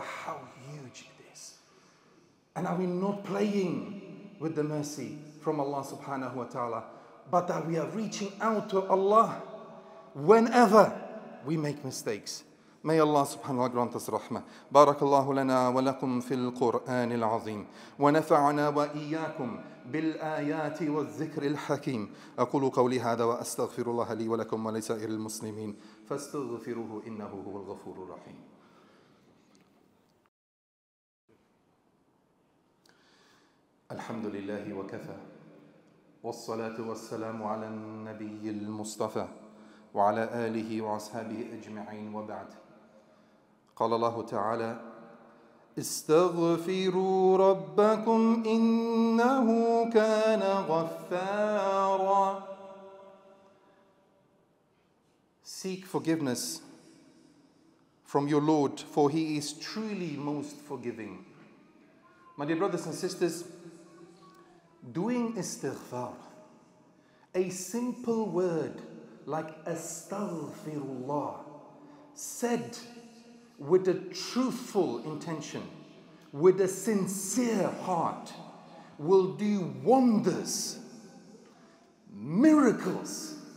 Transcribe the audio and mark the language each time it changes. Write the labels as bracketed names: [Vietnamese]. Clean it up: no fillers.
[English] How huge it is. And are we not playing with the mercy from Allah subhanahu wa ta'ala, but that we are reaching out to Allah whenever we make mistakes. May Allah subhanahu wa ta'ala grant us rahmah. [Arabic] Barakallahu lana wa lakum fil Qur'an al-azim. Wa nafa'ana wa iyyakum بالآيات والذكر الحكيم. أقول قولي هذا وأستغفر الله لي ولكم ولسائر المسلمين فاستغفروه إنه هو الغفور الرحيم. الحمد لله وكفى والصلاة والسلام على النبي المصطفى وعلى آله وأصحابه أجمعين وبعد. قال الله تعالى استغفروا ربكم إنه كان غفارا. [English] Seek forgiveness from your Lord, for He is truly most forgiving. My dear brothers and sisters, doing istighfar, a simple word like astaghfirullah, said with a truthful intention, with a sincere heart, will do wonders, miracles.